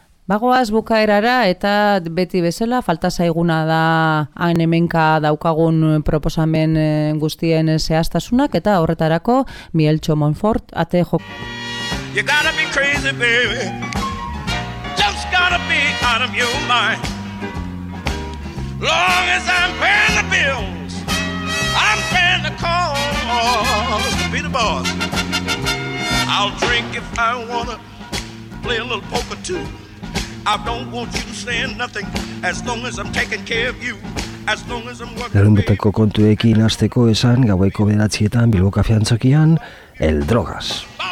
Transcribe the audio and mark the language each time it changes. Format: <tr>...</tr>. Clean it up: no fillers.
<eu>Bagoaz bukaerara eta beti bezala falta zaiguna da han hemenka daukagun proposamen guztien zehaztasunak eta horretarako Mieltxo Monfort ate jok.</eu> <en>You gotta be crazy, baby. Just gotta be out of your mind. Long as I'm paying the bills, I'm paying the calls to be the boss. I'll drink if I wanna play a little poker too. I don't want you to say nothing as long as I'm taking care of you.</en> <eu>Erunbeteko kontuekin hasteko esan gaueko 9etan Bilbo Kafe Antzokian El Drogas.</eu>